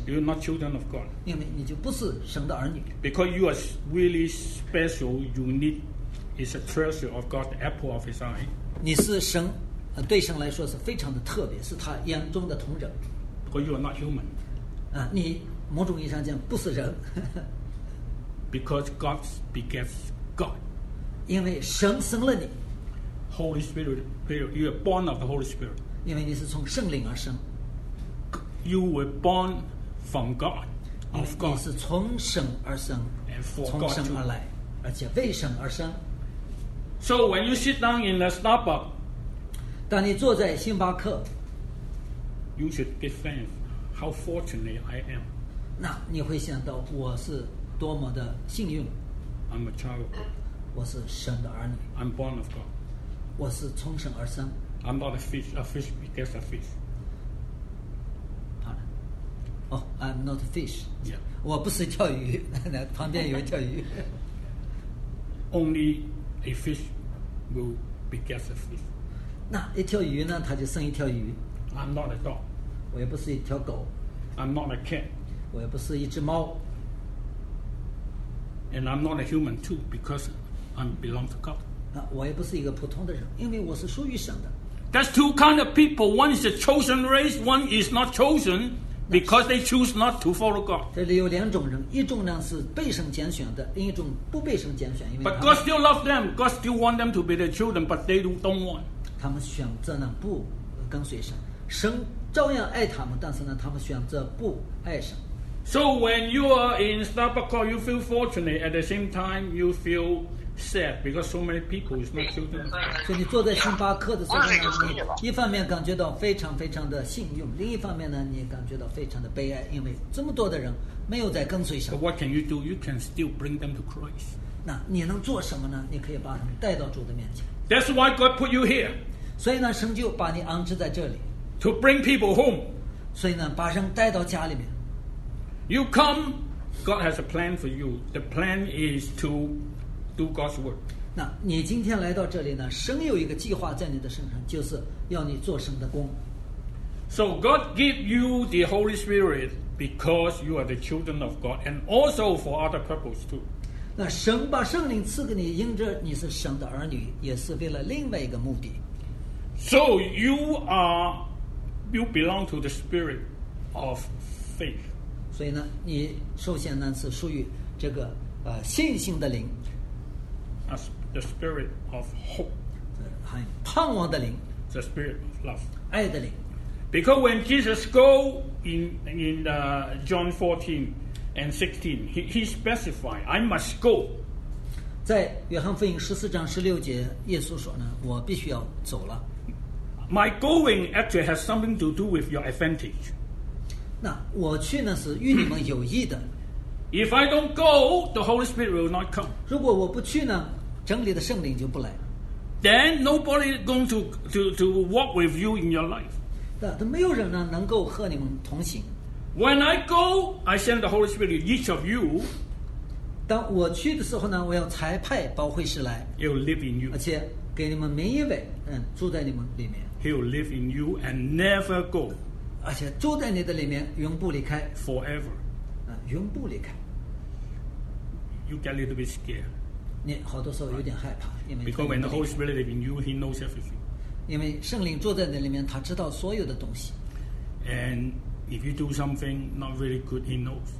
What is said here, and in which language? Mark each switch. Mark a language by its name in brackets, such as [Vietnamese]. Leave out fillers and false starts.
[English] You're not children of God. [Chinese] 因为你就不是神的儿女。 [English] Because you are really special, unique, is a treasure of God, the apple of His eye. [Chinese] 你是神，对神来说是非常的特别，是他眼中的瞳仁。 [English] Because you are not human. [Chinese] 你某种意义上讲不是人。 [English] Because God begets God. [Chinese] 因为神生了你 [English] Holy Spirit you are born of the Holy Spirit [Chinese] 因为你是从圣灵而生 [English] you were born from God of God [Chinese] 你是从神而生 [English] and for God [Chinese] 从神而来而且为神而生 [English] so when you sit down in the Starbucks [Chinese] 当你坐在星巴克 [English] you should be thankful how fortunate I am [Chinese] 那你会想到我是多么的幸运 [English] I'm a child of God [Chinese] 我是神的儿女。 [English] I'm born of God. [Chinese] 我是从神而生。 [English] I'm not a fish. A fish begets a fish. Pardon. Oh, I'm not a fish. Yeah. [Chinese] 我不是条鱼，旁边有条鱼。 [English] Only a fish will begets a fish. [Chinese] 那一条鱼呢？它就生一条鱼。 [English] I'm not a dog. [Chinese] 我也不是一条狗。 [English] I'm not a cat. [Chinese] 我也不是一只猫。 [English] And I'm not a human too, because I belong to God. [Chinese] 我也不是一个普通的人，因为我是属于神的。 [English] That's two kind of people. One is a chosen race. One is not chosen because they choose not to follow God. [Chinese] 这里有两种人，一种呢是被神拣选的，另一种不被神拣选，因为。 [English] But God still loves them. God still wants them to be their children, but they don't want. [Chinese] 他们选择呢不跟随神，神照样爱他们，但是呢他们选择不爱神。 [English] So when you are in Starbucks, you feel fortunate. At the same time, you feel sad because so many people is not children. [Chinese] 所以你坐在星巴克的时候呢，你一方面感觉到非常非常的幸运，另一方面呢，你感觉到非常的悲哀，因为这么多的人没有在跟随神。 [English] But what can you do? You can still bring them to Christ. [Chinese] 那你能做什么呢？你可以把他们带到主的面前。 [English] That's why God put you here. [Chinese] 所以呢，神就把你安置在这里。 [English] To bring people home. [Chinese] 所以呢，把人带到家里面。 [English] You come, God has a plan for you. The plan is to do God's work. [Chinese] 那你今天来到这里呢，神有一个计划在你的身上，就是要你做神的工。 [English] So God give you the Holy Spirit because you are the children of God and also for other purpose too. [Chinese] 那神把圣灵赐给你，因着你是神的儿女，也是为了另外一个目的。 [English] So you belong to the spirit of faith. [Chinese] 所以呢，你首先呢是属于这个信心的灵。 [English] The spirit of hope. [Chinese] 还有盼望的灵。 [English] The spirit of love. [Chinese] 爱的灵。 [English] Because when Jesus go in John 14 and 16, he specified, I must go. [Chinese] 在约翰福音十四章十六节，耶稣说呢，我必须要走了。 [English] My going actually has something to do with your advantage. [Chinese] 那我去呢是与你们有益的。 [English] If I don't go, the Holy Spirit will not come. [Chinese] 如果我不去呢，真理的圣灵就不来。 [English] Then nobody is going to walk with you in your life. [Chinese] 那都没有人呢能够和你们同行。 [English] When I go, I send the Holy Spirit to each of you. [Chinese] 当我去的时候呢，我要差派包惠师来。 [English] He will live in you. [Chinese] 而且给你们每一位，住在你们里面。 [English] He will live in you and never go. [Chinese] 而且住在你的里面，永不离开。 [English] Forever. [Chinese] 永不离开。 [English] You get a little bit scared. [Chinese] 你好多时候有点害怕，因为。 [English] Because when the Holy Spirit lives in you, He knows everything. [Chinese] 因为圣灵住在你里面，他知道所有的东西。 [English] And if you do something not really good, He knows.